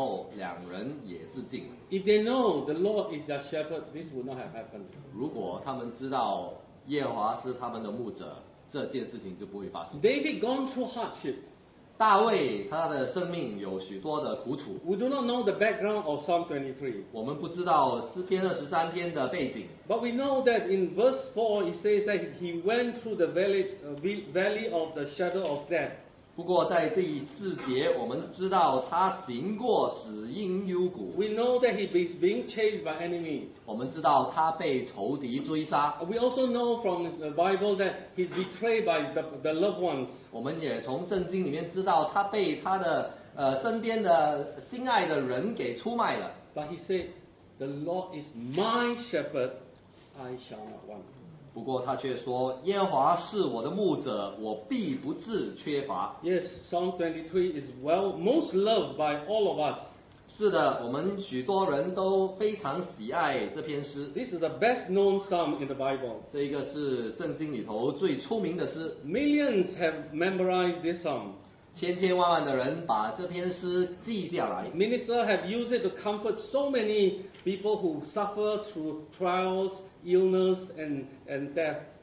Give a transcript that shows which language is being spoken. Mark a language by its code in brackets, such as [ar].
[zh] 夫妇都被这个雇员解雇了，然后因着这样，他们将三个孩子杀了之后，两人也自尽。 [en] If they know the Lord is their shepherd, this would not have happened. [zh] 如果他们知道耶和华是他们的牧者，这件事情就不会发生。David [en] gone through hardship. [zh] 大卫他的生命有许多的苦楚。 [en] We do not know the background of Psalm 23. [zh] 我们不知道诗篇23篇的背景。 [en] But we know that in verse 4 it says that he went through the valley of the shadow of death. [zh] 不过在第四节，我们知道他行过死荫幽谷。 [en] We know that he is being chased by enemy. [zh] 我们知道他被仇敌追杀。 [en] We also know from the Bible that he's betrayed by the loved ones. [zh] 我们也从圣经里面知道他被他的身边的心爱的人给出卖了。 [en] But he said, The Lord is my shepherd, I shall not want. [zh] 不过他却说, 耶和华是我的牧者, 我必不致缺乏。 [en] Yes, Psalm 23 is well most loved by all of us. [zh] 是的, 我们许多人都非常喜爱这篇诗。 [en] This is the best known psalm in the Bible. [zh] 这个是圣经里头最出名的诗。 [en] Millions have memorized this psalm. [zh] 千千万万的人把这篇诗记下来。 [en] Ministers have used it to comfort so many people who suffer through trials, illness, and death.